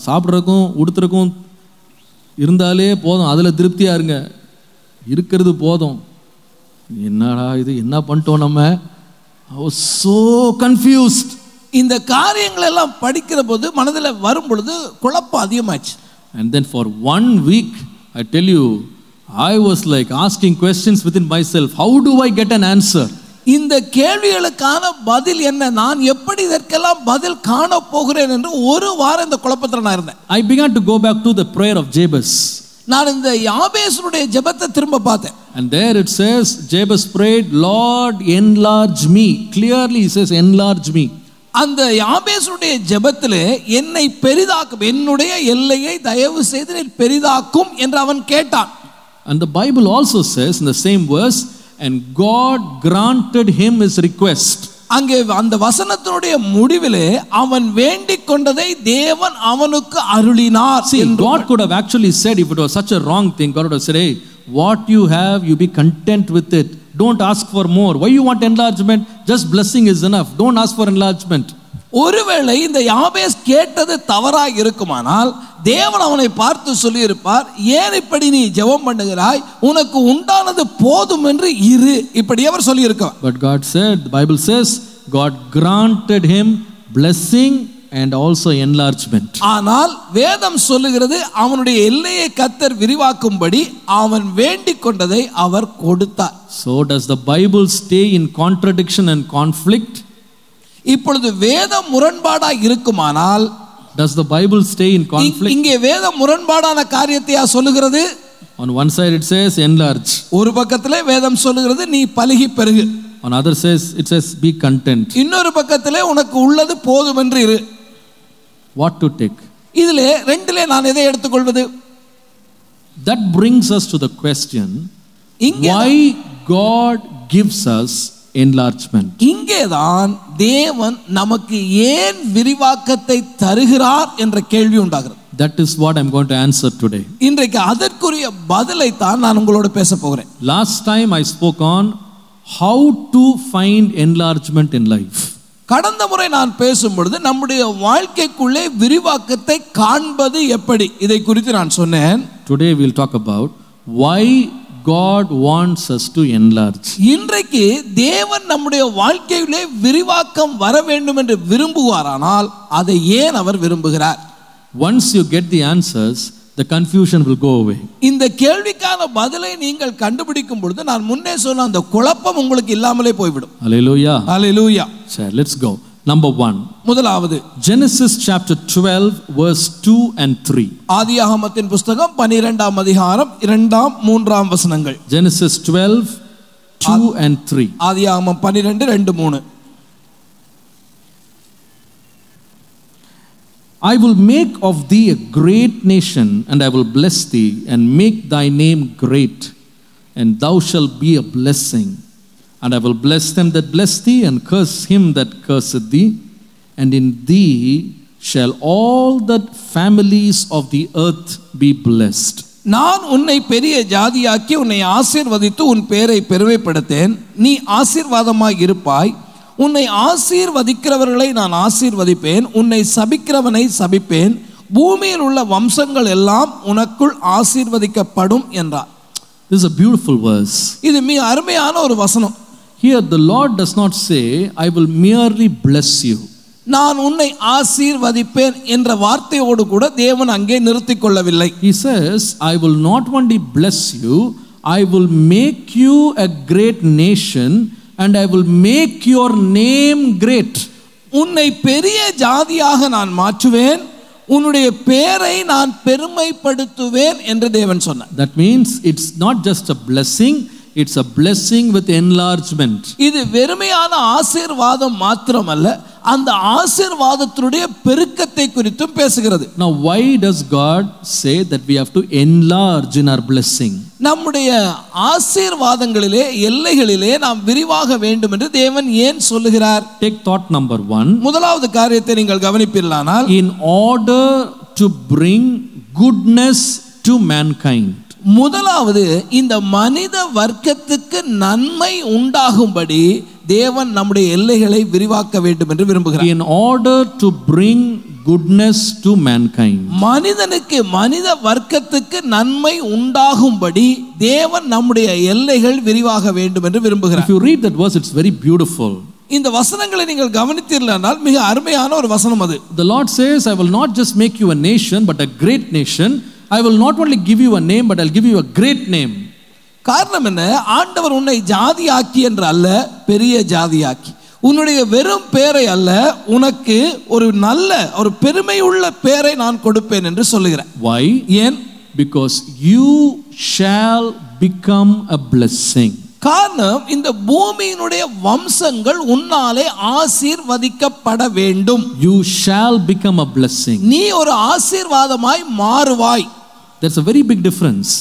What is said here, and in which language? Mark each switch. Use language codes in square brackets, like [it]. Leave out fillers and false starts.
[ta] சாப்பிட்றதுக்கும் உடுத்துறக்கும் இருந்தாலே போதும், அதில் திருப்தியாக இருங்க, இருக்கிறது போதும். என்னடா இது, என்ன பண்ணிட்டோம் நம்ம? [en] I was so confused. [ta] இந்த காரியங்கள் எல்லாம் படிக்கிற போது மனதில் வரும் பொழுது குழப்பம் அதிகமாச்சு. [en] And then for one week I tell you I was like asking questions within myself. How do I get an answer? [ta] இந்த கேள்விகளுக்கான பதில் என்ன? நான் எப்படி இதற்கெல்லாம் பதில் காண போகிறேன் என்று ஒரு வாரம் இந்த குழப்பத்தில் நான் இருந்தேன். [en] I began to go back to the prayer of Jabez. [ta] நான் இந்த யாபேசுடைய ஜெபத்தை திரும்ப பார்த்தேன். [en] And there it says Jabez prayed, Lord enlarge me. Clearly he says enlarge me. [ta] அந்த யாபேசுடைய ஜெபத்தில் என்னை பெரிதாக்கும், என்னுடைய எல்லையை தயவு செய்து நீர் பெரிதாக்கும் என்று அவன் கேட்டான். [en] And the Bible also says in the same verse, and God granted him his request. [ta] அங்கே அந்த வசனத்தினுடைய முடிவிலே அவன் வேண்டிக்கொண்டதை தேவன் அவனுக்கு அருளினார். [en] See, God could have actually said, if it was such a wrong thing, God would have said, hey, what you have, you be content with it. Don't ask for more. Why you want enlargement? Just blessing is enough. Don't ask for enlargement. [ta] ஒருவேளை இந்த யாபேஸ் கேட்டது தவறா இருக்குமானால் தேவன் அவனை பார்த்து சொல்லியிருப்பார், ஏன் இப்படி நீ ஜெபம் பண்ணுகிறாய், உனக்கு உண்டானது போதும் என்று இரு, இப்படி அவர் சொல்லியிருக்கார். [en] But God said, the Bible says, God granted him blessing and also enlargement. [ta] ஆனால் வேதம் சொல்லுகிறது அவனுடைய எல்லையை கர்த்தர் விரிவாக்கும்படி அவன் வேண்டிக்கொண்டதை அவர் கொடுத்தார். [en] So does the Bible stay in contradiction and conflict? [ta] இப்பொழுது வேதம் முரண்பாடாக இருக்குமானால் [en] Does the Bible stay in conflict? [ta] இங்கே வேதம் முரண்பாடான காரியத்தையா சொல்லுகிறது? [en] On one side it says enlarge. [ta] ஒரு பக்கத்திலே வேதம் சொல்லுகிறது நீ பலகி பெறு. [en] On other says it says be content. [ta] இன்னொரு பக்கத்திலே உனக்கு உள்ளது போதும் என்று இரு. [en] What to take? [ta] இதிலே ரெண்டிலே நான் எதை எடுத்துக்கொள்வது? [en] That brings us to the question, why God gives us enlargement. [ta] இங்கேதான் தேவன் நமக்கு ஏன் விரிவாக்கத்தை தருகிறார் என்ற கேள்வி உண்டாகிறது. [en] That is what I'm going to answer today. [ta] இன்றைக்கு அதற்குரிய பதிலை தான் நான் உங்களோட பேச போகிறேன். [en] Last time I spoke on how to find enlargement in life. [ta] கடந்த முறை நான் பேசும்பொழுது நம்முடைய வாழ்க்கைக்குள்ளே விரிவாக்கத்தை காண்பது எப்படி, இதை குறித்து நான் சொன்னேன். [en] Today we'll talk about why God wants us to enlarge. [ta] இன்றைக்கு தேவன் நம்முடைய வாழ்க்கையிலே விரிவாக்கம் வர வேண்டும் என்று விரும்புவாரானால் அதை ஏன் அவர் விரும்புகிறார்? [en] Once you get the answers, the confusion will go away. [ta] இந்த கேள்விக்கான பதிலை நீங்கள் கண்டுபிடிக்கும் பொழுது நான் முன்னே சொன்ன அந்த குழப்பம் உங்களுக்கு இல்லாமலே போய்விடும். [en] Hallelujah. Hallelujah. Sir, let's go. Number 1. [ta] முதலாவது [en] Genesis chapter 12 verse 2 and 3. [ta] ஆதியாகமத்தின் புத்தகம் 12ஆம் அதிகாரம் 2ஆம் 3ஆம் வசனங்கள். [en] Genesis 12 2 and 3. [ta] ஆதியாகமம் 12 2 3. [en] I will make of thee a great nation and I will bless thee and make thy name great and thou shall be a blessing. And I will bless them that bless thee and curse him that curseth thee. And in thee shall all the families of the earth be blessed. [ta] நான் உன்னை பெரிய ஜாதியாக்கி உன்னை ஆசீர்வதித்து உன் பெயரை பெருமைப்படுத்தேன். நீ ஆசீர்வாதமாய் இருப்பாய். உன்னை ஆசீர்வதிக்கிறவர்களை நான் ஆசீர்வதிப்பேன். உன்னை சபிக்கிறவனை சபிப்பேன். பூமியில் உள்ள வம்சங்கள் எல்லாம் உனக்குள் ஆசீர்வதிக்கப்படும் என்றார். [en] This is a beautiful verse. [ta] இது மிக அருமையான ஒரு வசனம். [en] Here the Lord does not say, I will merely bless you. [ta] நான் உன்னை ஆசீர்வதிப்பேன் என்ற வார்த்தையோடு கூட தேவன் அங்கே நிறுத்திக் கொள்ளவில்லை. [en] He says, I will not only bless you, I will make you a great nation and I will make your name great. [ta] உன்னை பெரிய ஜாதியாக நான் மாற்றுவேன், உன்னுடைய பெயரை நான் பெருமைப்படுத்துவேன் என்று தேவன் சொன்னார். [en] That means it's not just a blessing, it's a blessing with enlargement. [ta] இது வெறுமையான ஆசீர்வாதம் மட்டுமல்ல, அந்த ஆசீர்வாதத்தினுடைய பெருக்கத்தை குறித்தும் பேசுகிறது. [en] Now why does God say that we have to enlarge in our blessing? [ta] நம்முடைய ஆசீர்வாதங்களிலே எல்லைகளிலே நாம் விரிவாக வேண்டும் என்று தேவன் ஏன் சொல்லுகிறார்? [en] Take thought number 1. [ta] முதலாவது காரியத்தை நீங்கள் கவனிப்பீர்களானால், [en] in order to bring goodness to mankind. [ta] முதலாவது இந்த மனித வர்க்கத்துக்கு நன்மை உண்டாகும்படி தேவன் நம்முடைய எல்லைகளை விரிவாக்க வேண்டும் என்று விரும்புகிறார். [en] In order to bring goodness to mankind. [ta] மனிதனுக்கு மனித வர்க்கத்துக்கு நன்மை உண்டாகும்படி தேவன் நம்முடைய எல்லைகள் விரிவாக வேண்டும் என்று விரும்புகிறார். [en] If you read that verse, it's very beautiful. [ta] இந்த வசனங்களை நீங்கள் கவனித்தீர்களானால் மிக அருமையான ஒரு வசனம் அது. [en] The Lord says, I will not just make you a nation, but a great nation. I will not only give you a name, but I'll give you a great name. [ta] காரணம் என்ன? ஆண்டவர் உன்னை ஜாதியாக்கி என்று அல்ல, பெரிய ஜாதியாக்கி. உன்னுடைய வெறும் பெயரை அல்ல, உனக்கு ஒரு நல்ல ஒரு பெருமை உள்ள பெயரை நான் கொடுப்பேன் என்று சொல்லுகிறேன். [en] Why? [ta] ஏன்? [en] Because you shall become a blessing. [ta] காரணம் இந்த பூமியினுடைய வம்சங்கள் உன்னாலே ஆசீர்வதிக்கப்பட வேண்டும். [en] You shall become a blessing. [ta] நீ ஒரு ஆசீர்வாதமாய் மாறுவாய். [en] That's a very big difference.